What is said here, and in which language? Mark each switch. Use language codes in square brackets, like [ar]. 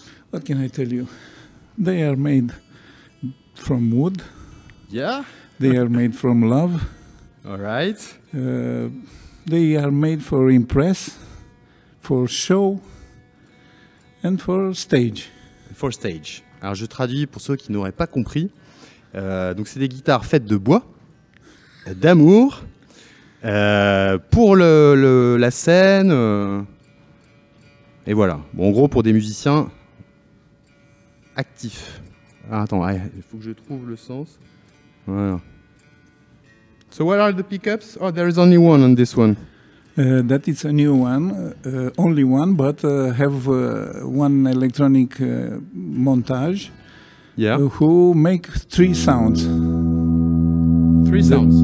[en] What can I tell you? They are made from wood. Yeah. They are made from love. All right. They are made for impress, for show, and for stage. For stage. [fr] Alors je traduis pour ceux qui n'auraient pas compris. Donc c'est des guitares faites de bois, d'amour... pour la scène, et voilà. Bon, en gros, pour des musiciens actifs. Ah, attends, il faut que je trouve le sens. Voilà. [en] So what are the pickups? Oh, there is only one on this one. That is a new one, only one, but have one electronic montage. Yeah. Who make three sounds? Three sounds.